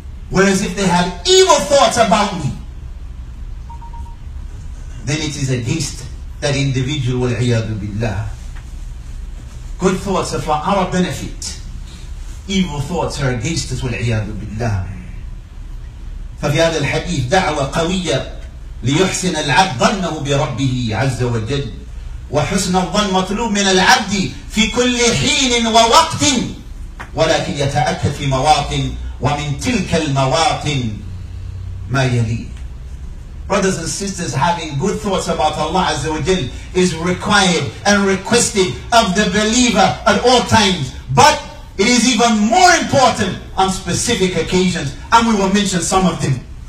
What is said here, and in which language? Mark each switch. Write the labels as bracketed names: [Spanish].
[English] Whereas if they have evil thoughts about me, then it is against that individual, wal-iyadu billah. Good thoughts are for our benefit. Evil thoughts are against us, wal-iyadu billah. [Arabic] ففي هذا الحديث دعوة قوية ليحسن العبد ظنه بربه عز وجل. وحسن الظن مطلوب من العبد في كل حين ووقت ولكن يتأكد في مواطن ومن تلك المواطن ما يلي. [English] Brothers and sisters, having good thoughts about Allah Azza wa Jal is required and requested of the believer at all times, but it is even more important on specific occasions, and we will mention some of them.